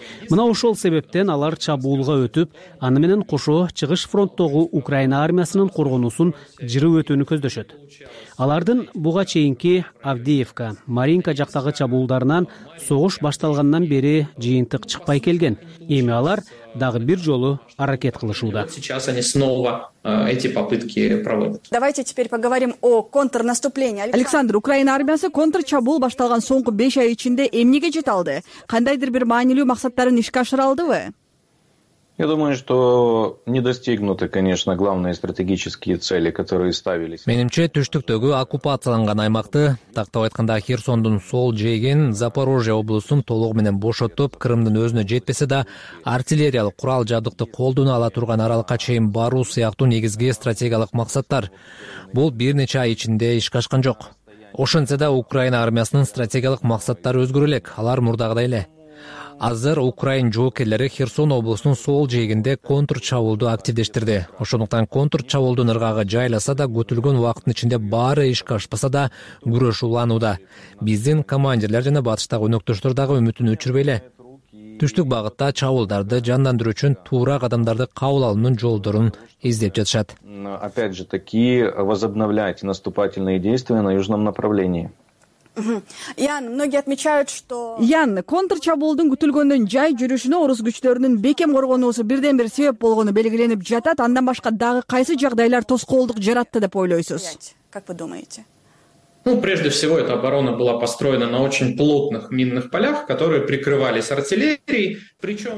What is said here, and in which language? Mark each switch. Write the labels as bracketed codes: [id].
[ky] Мына ошол себептен алар чабуулга өтүп, аны менен кошо чыгыш фронттогу Украина армиясынын коргоносун жырып өтүүнү көздөшөт. Алардын буга чейинки Авдеевка, Маринка жактагы чабуулдарынан согуш башталгандан бери жыйынтык чыкпай келген. Эми алар дагы бир жолу аракет кылышууда. [ru] Сейчас они снова эти попытки проводят. Давайте теперь поговорим о контрнаступлении. [ky] Александр, Украина армиясы контр чабуул башталган соңку 5 ай ичинде эмнеге жете алды? Кандайдыр бир маанилүү максаттарын ишке ашыра алдыбы? [ru] Я думаю, что не достигнуты, конечно, главные стратегические цели, которые ставились. [ky] Менимче, түштүктөгү оккупацияланган аймакты, тактап айтканда Херсондун сол жээгин, Запорожье облусун толугу менен бошотуп, Крымдын өзүнө жетпесе да, артиллериялык курал жабдыкты колдоно ала турган аралыкка чейин баруу сыяктуу негизги стратегиялык максаттар. Бул бир нече ай ичинде ишке ашкан жок. Ошентсе да, Украина армиясынын стратегиялык максаттары өзгөрө элек, алар мурдагыдай эле. Азыр Украин жоокерлери Херсон облусунун сол жээгинде контур чабуулду активдештирди. Ошондуктан контур чабуулдун ыргагы жайласа да, күтүлгөн убакыттын ичинде баары ишке ашпаса да, күрөш уланууда. Биздин командирлер жана батыштагы өнөктөштөр дагы үмүтүн өчүрбөй эле. Түштүк багытта чабуулдарды жандандыруу үчүн туура кадамдарды кабыл алуунун жолдорун издеп жатышат. [ru] Опять же таки возобновлять наступательные действия на южном направлении. Ян, многие отмечают, что... [ky] Ян, контрчабуулдун күтүлгөндөн жай жүрүшүнө орус күчтөрүнүн бекем коргоносу бирден бир себеп болгону белгиленип жатат. Андан башка дагы кайсы жагдайлар тоскоолдук жаратты деп ойлойсуз? [ru] Как вы думаете? Ну, прежде всего, эта оборона была построена на очень плотных минных полях, которые прикрывались артиллерией, причем...